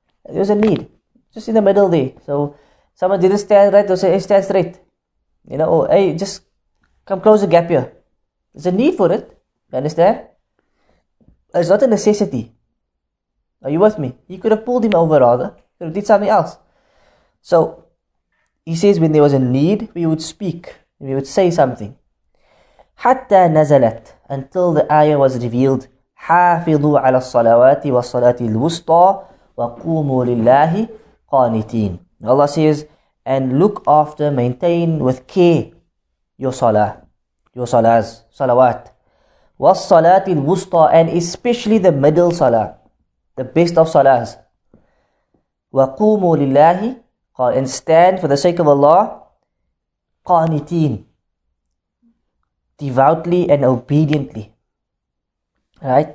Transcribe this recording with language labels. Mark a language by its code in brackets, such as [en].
[en] There was a need, just in the middle there, so someone didn't stand right, they'll say, hey, stand straight, you know, or hey, just come close the gap here. There's a need for it, you understand? It's not a necessity. Are you with me? He could have pulled him over rather, could have did something else. So he says, when there was a need, we would speak, we would say something. [ar] حتى نزلت, [en] until the ayah was revealed, [ar] حافظوا على الصلوات والصلاة الوسطى وقوموا لله قانتين. [en] Allah says, and look after, maintain with care your salah, your salahs, salawat. [ar] والصلاة الوسطى, [en] and especially the middle salah, the best of salahs. [ar] وقوموا لله [en] and stand for the sake of Allah, qanitin, devoutly and obediently. Right?